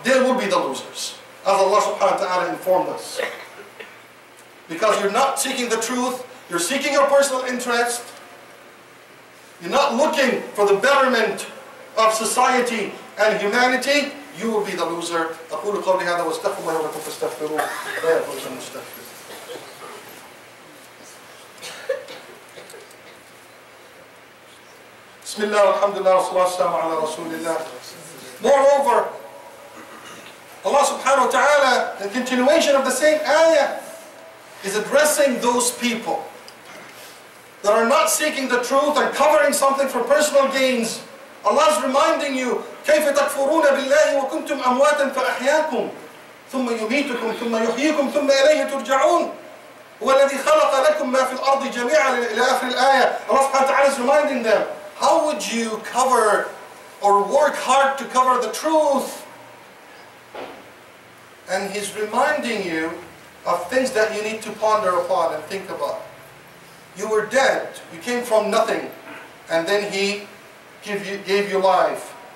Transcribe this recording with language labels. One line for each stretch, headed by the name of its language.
English: They will be the losers. As Allah subhanahu wa ta'ala informed us. Because you're not seeking the truth, you're seeking your personal interest, you're not looking for the betterment of society and humanity, you will be the loser.
Arabic: أقول قولي هذا واستغفر الله ولكم فاستغفروه لا يفوز المستغفر. بسم الله والحمد لله والصلاة والسلام على رسول الله.
English: Moreover, Allah subhanahu wa ta'ala, the continuation of the same ayah, is addressing those people that are not seeking the truth and covering something for personal gains. Allah is reminding you,
Arabic: كيف تكفرون بالله وكنتم أمواتا فأحياكم ثم يميتكم ثم يحييكم ثم إليه ترجعون هو الذي خلق لكم ما في الأرض جميعا إلى آخر الآية.
English: Allah subhanahu wa ta'ala is reminding them, how would you cover or work hard to cover the truth? And he's reminding you of things that you need to ponder upon and think about. You were dead, you came from nothing, and then he gave you life.